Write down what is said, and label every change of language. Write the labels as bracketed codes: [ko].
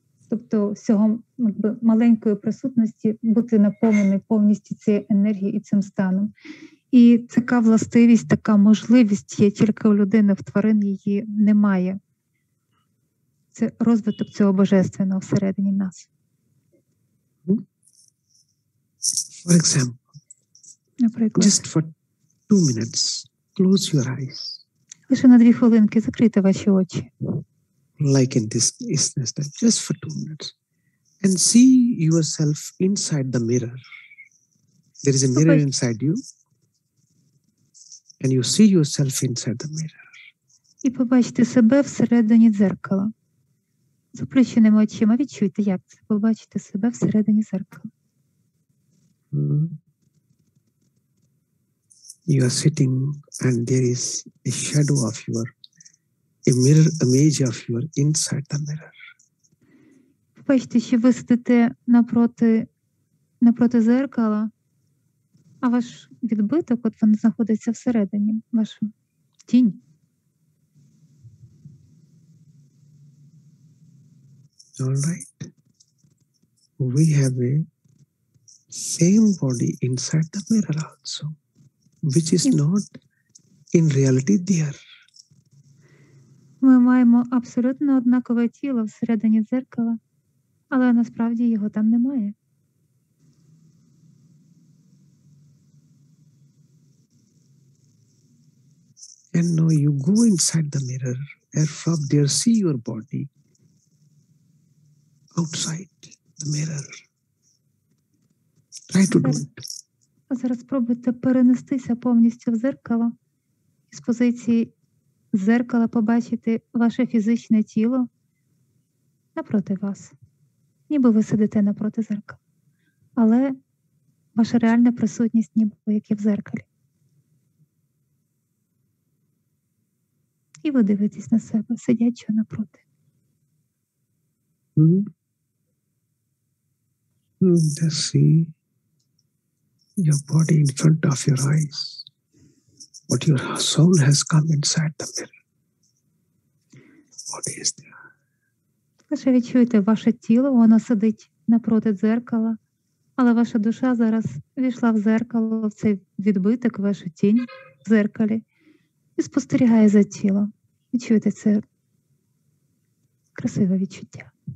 [uk] Тобто всього маленької присутності бути наповнений повністю цією енергією і цим станом. І така властивість, така можливість є тільки у людини, в тварин її немає. Це розвиток цього божественного всередині нас. [en] For example, just for 2 minutes, close your eyes. [uk] Лише на 2 хвилинки закрити ваші очі. [en] Like in this istness, just for 2 minutes. And see yourself inside the mirror. There is a mirror inside you. And you see yourself inside the mirror. [uk] І побачити себе всередині дзеркала. З заплющеними очима відчуйте, як це побачити себе всередині дзеркала. [en] You are sitting and there is a shadow of your, a mirror image of your inside the mirror. [uk] Побачите, що ви сидите напроти дзеркала, а ваш відбиток, от він знаходиться всередині, ваш тінь. [en] All right. We have a same body inside the mirror also, which is not in reality there. [uk] Ми маємо абсолютно однакове тіло всередині дзеркала, але насправді його там немає. [en] And now you go inside the mirror and from there see your body. Outside the mirror. Try to do it. [uk] А зараз спробуйте перенестися повністю в дзеркало. З позиції дзеркала побачити ваше фізичне тіло напроти вас. Ніби ви сидите напроти дзеркала. Але ваша реальна присутність ніби як і в дзеркалі. І ви дивитесь на себе, сидячого напроти. [en] Just see your body in front of your eyes. What your soul has come inside the mirror. What is there? [uk] Лише відчуйте ваше тіло, воно сидить напроти дзеркала, але ваша душа зараз війшла в дзеркало, в цей відбиток, вашу тінь в дзеркалі, і спостерігає за тілом. Відчуйте це красиве відчуття.